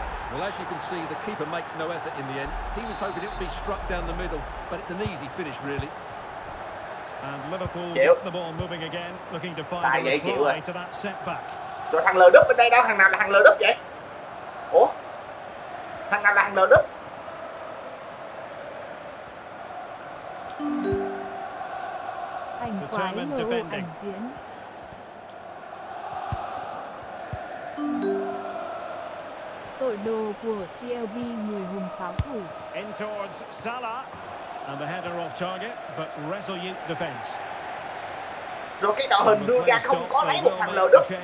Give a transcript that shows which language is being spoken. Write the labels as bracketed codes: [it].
[en] Well, as you can see, the keeper makes no effort in the end. He was hoping it would be struck down the middle, but it's an easy finish, really. And Liverpool get the ball moving again, looking to find [vi] Tài [en] a reply to that setback. [vi] Rồi thằng lờ đúp bên đây đâu? Thằng nào là thằng lờ đúp vậy? Ủa? Thằng nào là thằng lờ đúp? Ảnh quái lờ ảnh diễn. Tội đồ của CLB người hùng pháo thủ. [en] In towards Salah and the header off target, but resolute defense. [vi] Rồi cái đội hình đưa ra không có lấy một thằng lờ đúp.